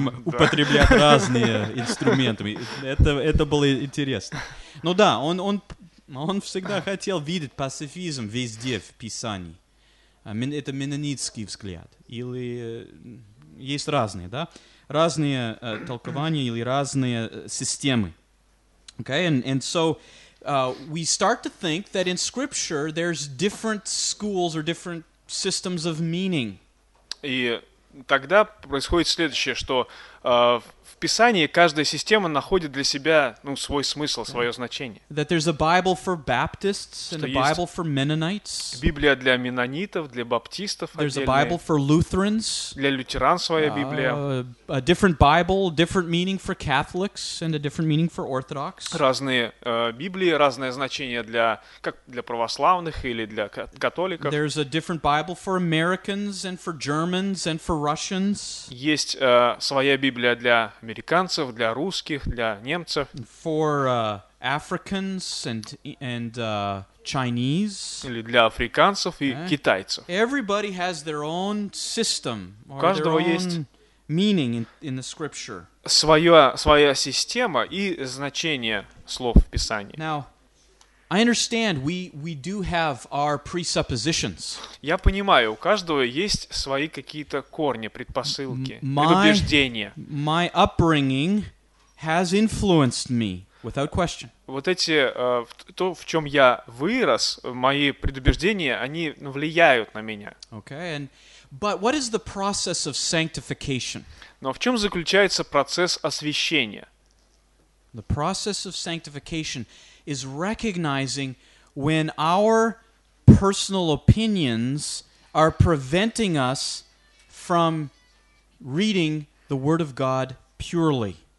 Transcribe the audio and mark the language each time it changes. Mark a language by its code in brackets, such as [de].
[ru] мы можем употреблять разные инструменты. Это было интересно. Ну да, он всегда хотел видеть пацифизм везде в Писании. Это меннонитский взгляд. Или есть разные, да? Разные толкования или разные системы. [en] Okay, and so we start to think that in Scripture there's different schools or different systems of meaning. [ru] И тогда происходит следующее, что в Писании каждая система находит для себя свой смысл, свое значение. [en] That there's a Bible for Baptists and a Bible for Mennonites. [ru] Библия для меннонитов, для баптистов. [en] There's a Bible for Lutherans. [ru] Для лютеран своя Библия. [en] A different Bible, different meaning for Catholics and a different meaning for Orthodox. [ru] Разные Библии, разное значение для как для православных или для католиков. [en] There's a different Bible for Americans and for Germans and for Russians. [ru] Есть своя Библия для американцев, для русских, для немцев. [en] For Africans and Chinese. [ru] Или для африканцев и китайцев. [en] Everybody has their own system. [ru] У каждого есть [en] meaning in the scripture. [ru] Своя система и значение слов в Писании. [en] Now, I understand we do have our presuppositions. [ru] Я понимаю, у каждого есть свои какие-то корни, предпосылки, предубеждения. [en] My upbringing has influenced me, without question. [ru] Вот эти то, в чем я вырос, мои предубеждения, они влияют на меня. [en] Okay, but what is the process of sanctification? [ru] Но в чем заключается процесс освящения? [en] The process of sanctification is recognizing when our personal opinions are preventing us from reading the Word of God purely.